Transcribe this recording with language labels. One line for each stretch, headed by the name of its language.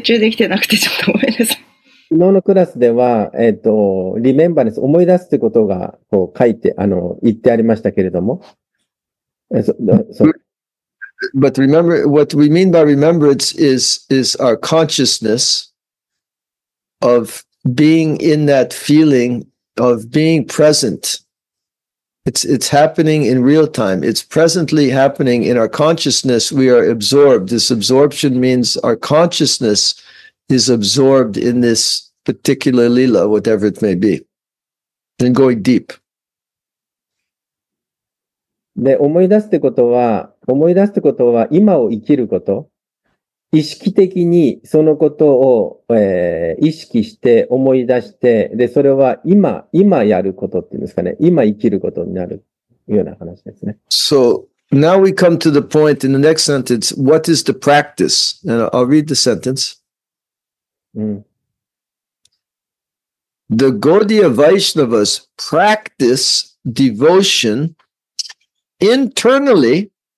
Japanese: 昨日のクラスでは、リメンバーです。思い出すということが、こう書いて、言ってありましたけれども。
English: But remember, what we mean by remembrance is our consciousness of being in that feeling of being present. It's happening in real time. It's presently happening in our consciousness. We are absorbed. This absorption means our consciousness is absorbed in this particular lila, whatever it may be, then going deep.
Japanese: で、思い出すってことは、今を生きること。意識的にそのことを、意識して思い出して、で、それは今やることっていうんですかね。今生きることになるような話ですね。
English: So, now we come to the point in the next sentence. What is the practice? And I'll read the sentence.、
Japanese: うん、
English: the Gaudiya Vaishnavas practice devotion internally.